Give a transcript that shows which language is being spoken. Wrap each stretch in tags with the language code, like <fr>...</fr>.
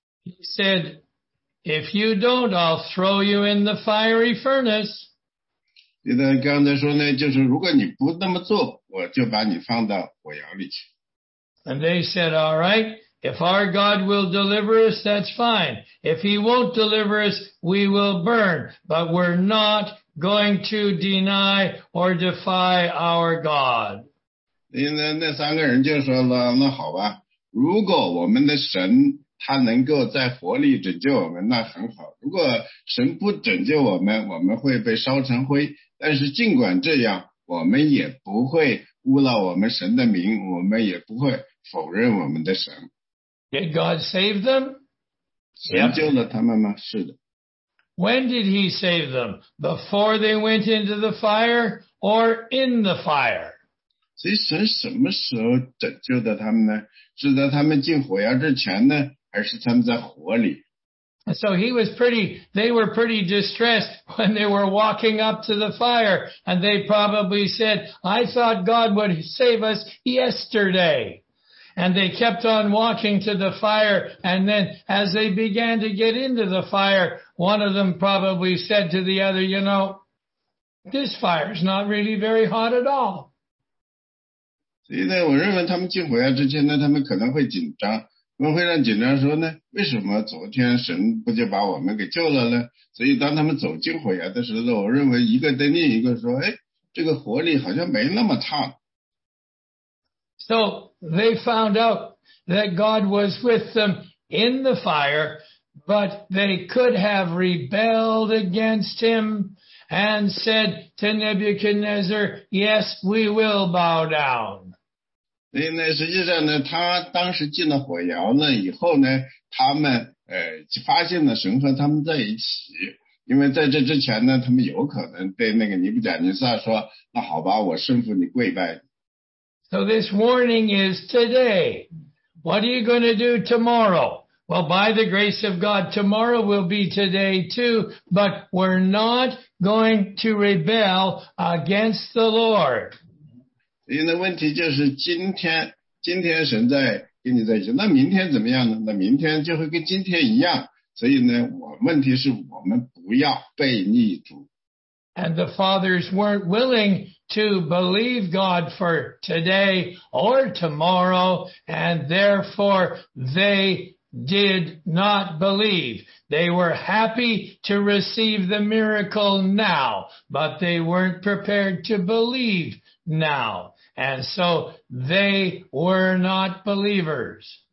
<en>He said, if you don't, I'll throw you in the fiery furnace.</en> <zh>现在刚才说呢，就是如果你不那么做，我就把你放到火窑里去。</zh> <en>And they said, all right, if our God will deliver us, that's fine. If he won't deliver us, we will burn. But we're not going to deny or defy our God.</en> <zh>那三个人就说了，那好吧，如果我们的神他能够在火里拯救我们，那很好。如果神不拯救我们，我们会被烧成灰。但是尽管这样，我们也不会污了我们神的名，我们也不会否认我们的神。</zh> <en>Did God save them?</en> <zh>神救了他们吗？</zh> <en>Yep.</en> <zh>是的。</zh> <en>When did he save them? Before they went into the fire or in the fire?</en> <zh>所以神什么时候拯救的他们呢？是在他们进火窑之前呢，还是他们在火里？</zh> <en>And so they were pretty distressed when they were walking up to the fire, and they probably said, I thought God would save us yesterday. And they kept on walking to the fire, and then as they began to get into the fire, one of them probably said to the other, you know, this fire is not really very hot at all.</en> <zh>所以呢，我认为他们进火窑之前呢，他们可能会紧张。我们会让警察说呢，为什么昨天神不就把我们给救了呢？所以当他们走进火窑的时候，我认为一个对另一个说，哎，这个火里好像没那么烫。</zh> <en>So they found out that God was with them in the fire, but they could have rebelled against him and said to Nebuchadnezzar, yes, we will bow down.</en> <zh>所以呢，实际上呢，他当时进了火窑呢以后呢，他们发现了神和他们在一起，因为在这之前呢，他们有可能对那个尼布甲尼撒说，那好吧，我顺服你，跪拜。</zh> <en>So this warning is today. What are you going to do tomorrow? Well, by the grace of God, tomorrow will be today too, but we're not going to rebel against the Lord.</en> <zh>所以呢，问题就是今天神在跟你在一起，那明天怎么样呢？那明天就会跟今天一样。所以呢，问题是我们不要悖逆主。</zh> <en>And the fathers weren't willing to believe God for today or tomorrow, and therefore they did not believe. They were happy to receive the miracle now, but they weren't prepared to believe now.And so they were not believers.</en>